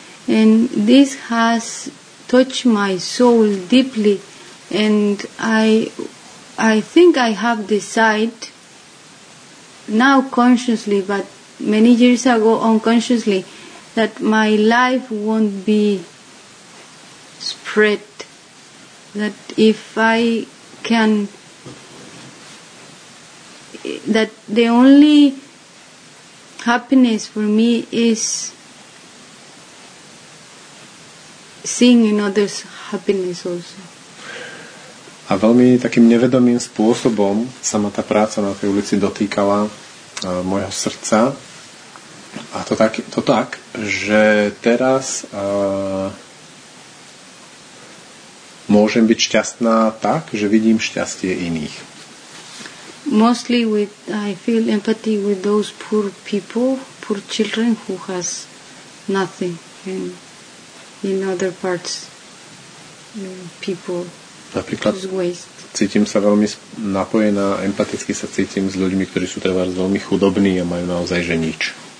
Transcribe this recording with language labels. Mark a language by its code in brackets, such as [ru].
[en] And this has touched my soul deeply, and I think I have decided now consciously, but many years ago unconsciously, that my life won't be spread, that if I can, that the only happiness for me is seeing in others' happiness also. [sk] A veľmi takým nevedomým spôsobom sa ma tá práca na tej ulici dotýkala môjho srdca. A to tak, že teraz môžem byť šťastná tak, že vidím šťastie iných. [en] Mostly with, I feel empathy with those poor people, poor children who has nothing in other parts, people use waste. [sk] Cítim sa veľmi napojená, empaticky sa cítim s ľuďmi, ktorí sú trebárs veľmi chudobní a majú naozaj, že nič.